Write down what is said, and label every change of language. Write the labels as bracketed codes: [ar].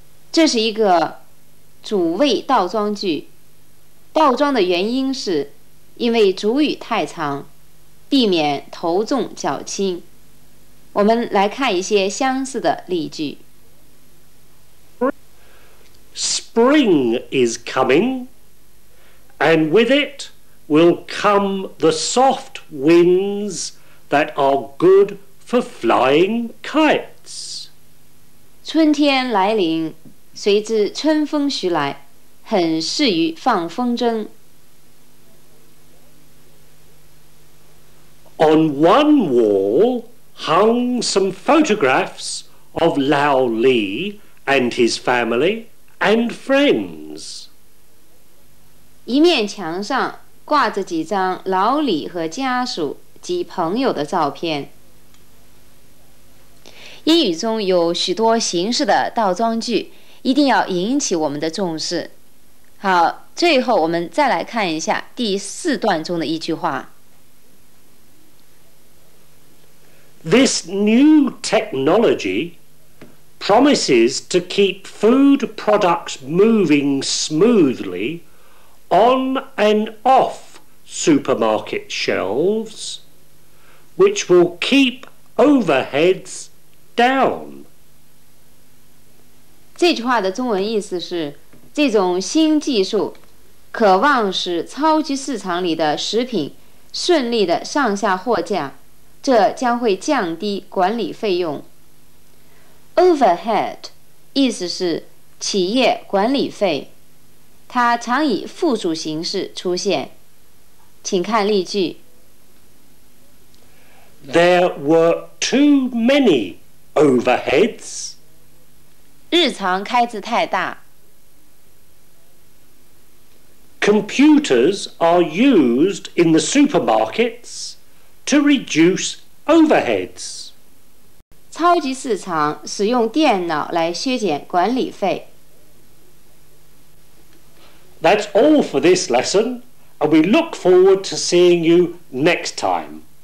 [zh] 这是一个主谓倒装句，倒装的原因是因为主语太长，避免头重脚轻。我们来看一些相似的例句。 [en] Spring is coming, and with it will come the soft winds that are good for flying kites. [zh] 春天来临，随之春风徐来，很适于放风筝。 [en] On one wall hung some photographs of Lao Li and his family and friends. [zh] 一面墙上挂着几张老李和家属及朋友的照片。英语中有许多形式的倒装句，一定要引起我们的重视。好，最后我们再来看一下第四段中的一句话。 [en] This new technology promises to keep food products moving smoothly on and off supermarket shelves, which will keep overheads down. [zh] 这句话的中文意思是，这种新技术渴望使超级市场里的食品顺利的上下货架，这将会降低管理费用。 Overhead 意思是企业管理费，它常以复数形式出现。请看例句。 [en] There were too many overheads. [zh] 日常开支太大。 [en] Computers are used in the supermarkets to reduce overheads. [zh] 超级市场使用电脑来削减管理费。 [en] That's all for this lesson, and we look forward to seeing you next time.